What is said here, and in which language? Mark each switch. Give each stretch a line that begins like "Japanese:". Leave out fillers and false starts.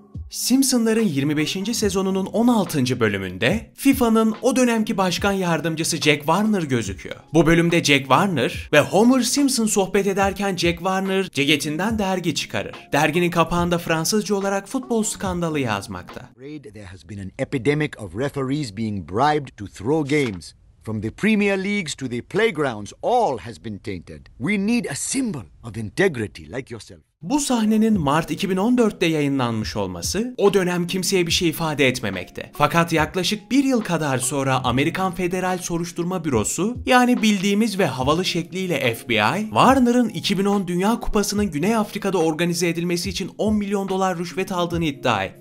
Turkish: C Simpsonların 25. sezonunun 16. bölümünde FIFA'nın o dönemki başkan yardımcısı Jack Warner gözüküyor. Bu bölümde Jack Warner ve Homer Simpson sohbet ederken Jack Warner ceketinden dergi çıkarır. Derginin kapağında Fransızca olarak futbol skandalı yazmakta.
English: There has been an epidemic of referees being bribed to throw games. From the Premier Leagues to the playgrounds, all has been tainted. We need a symbol of integrity like yourself.
Turkish: Bu sahnenin Mart 2014'te yayınlanmış olması o dönem kimseye bir şey ifade etmemekte. Fakat yaklaşık bir yıl kadar sonra Amerikan Federal Soruşturma Bürosu, yani bildiğimiz ve havalı şekliyle FBI, Warner'ın 2010 Dünya Kupası'nın Güney Afrika'da organize edilmesi için 10 milyon dolar rüşvet aldığını iddia etti.